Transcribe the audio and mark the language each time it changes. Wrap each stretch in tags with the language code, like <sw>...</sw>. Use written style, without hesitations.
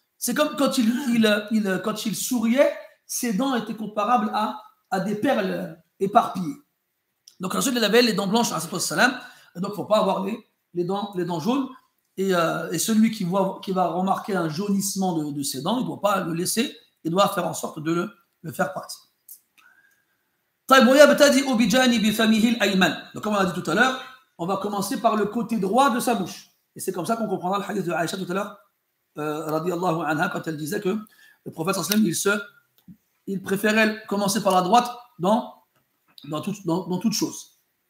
<fr>C'est comme quand il souriait, ses dents étaient comparables à des perles éparpillées. Donc ensuite, il avait les dents blanches, alayhi salam. Donc il faut pas avoir les dents jaunes, et celui qui va remarquer un jaunissement de ses dents, il doit pas le laisser, il doit faire en sorte de le faire partir.</fr> <ar>طيب ويبتدي بجانب فمه الايمن.</ar> <fr>Donc comme on a dit tout à l'heure, on va commencer par le côté droit de sa bouche. Et c'est comme ça qu'on comprendra le hadith de Aïcha tout à l'heure, radiallahu anha, quand elle disait que le prophète sallallahu alayhi wa sallam, il préférait commencer par la droite dans toute chose.</fr>